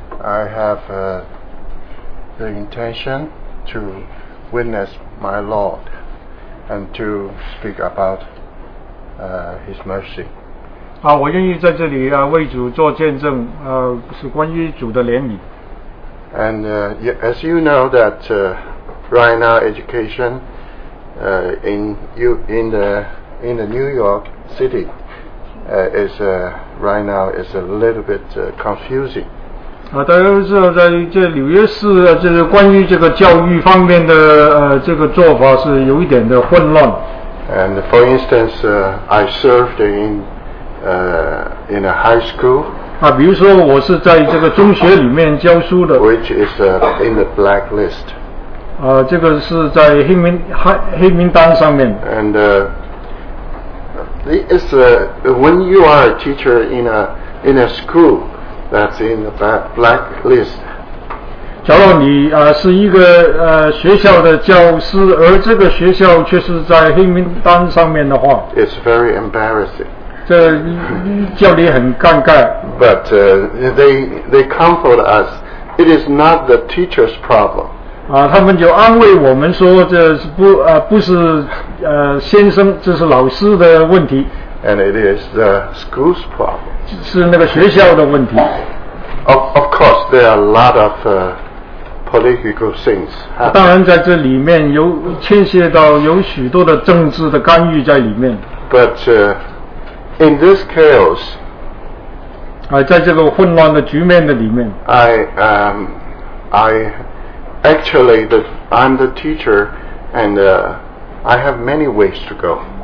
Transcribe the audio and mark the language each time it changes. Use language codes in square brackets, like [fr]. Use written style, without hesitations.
[en] I have the intention to witness my Lord and to speak about His mercy. [zh] 好，我愿意在这里为主做见证，是关于主的怜悯。 [en] And as you know that right now education in the New York City is a little bit confusing. [zh] 大家都知道在这纽约市就是关于这个教育方面的这个做法是有一点的混乱。 [en] And for instance, I served in a high school. [zh] 比如说我是在这个中学里面教书的。 [en] Which is in the blacklist. [zh] 这个是在黑名单上面。 [en] And it's when you are a teacher in a school that's in the blacklist. [zh] 假如你是一个学校的教师，而这个学校却是在黑名单上面的话 [en] ，It's very embarrassing. [zh] 这叫你很尴尬。 [en] But they comfort us. It is not the teacher's problem. [zh] 他们就安慰我们说这是不是先生，这是老师的问题。 [en] And it is the school's problem. [zh] 是那个学校的问题。 [en] Of course, there are a lot of political things. [zh] 当然在这里面有牵涉到有许多的政治的干预在里面。 [en] But in this chaos, [zh] 在这个混乱的局面的里面 [en] I actually, I'm the teacher, and I have many ways to go.